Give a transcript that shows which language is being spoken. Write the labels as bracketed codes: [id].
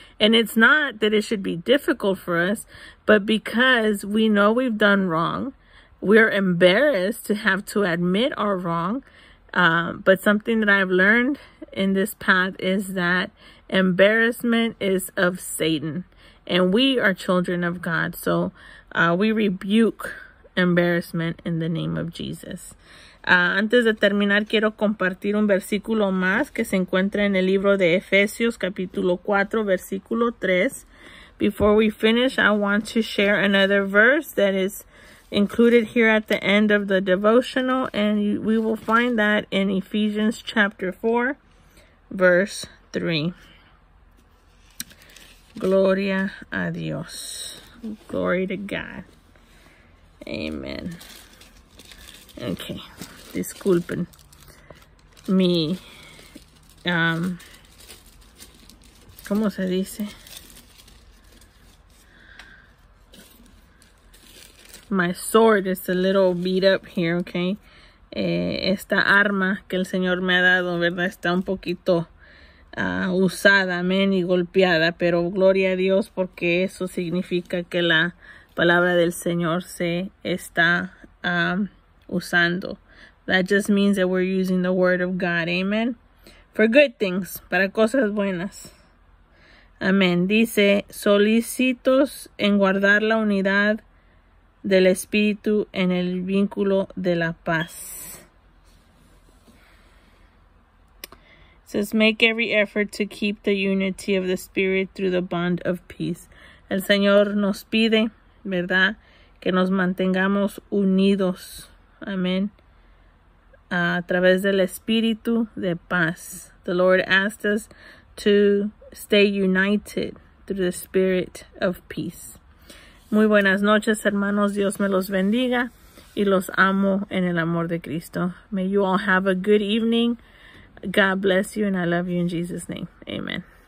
[en] And it's not that it should be difficult for us, but because we know we've done wrong, we're embarrassed to have to admit our wrong. But something that I've learned in this path is that embarrassment is of Satan, and we are children of God. So we rebuke embarrassment in the name of Jesus. [es] Antes de terminar, quiero compartir un versículo más que se encuentra en el libro de Efesios, capítulo 4, versículo 3. [en] Before we finish, I want to share another verse that is included here at the end of the devotional, and we will find that in Ephesians chapter 4, verse 3. [es] Gloria a Dios. [en] Glory to God. [es] Amen. Okay. Disculpen. Mi, ¿cómo se dice? [en] My sword is a little beat up here, okay? [es] esta arma que el Señor me ha dado, ¿verdad? Está un poquito usada, amén, y golpeada, pero gloria a Dios porque eso significa que la palabra del Señor se está usando. [en] That just means that we're using the word of God, amen. For good things, [es] para cosas buenas. Amén. Dice, solícitos en guardar la unidad del espíritu en el vínculo de la paz. [en] It says, make every effort to keep the unity of the spirit through the bond of peace. [es] El Señor nos pide, ¿verdad?, que nos mantengamos unidos. Amén. A través del espíritu de paz. [en] The Lord asked us to stay united through the spirit of peace. [es] Muy buenas noches, hermanos. Dios me los bendiga y los amo en el amor de Cristo. [en] May you all have a good evening. God bless you and I love you in Jesus' name. Amen.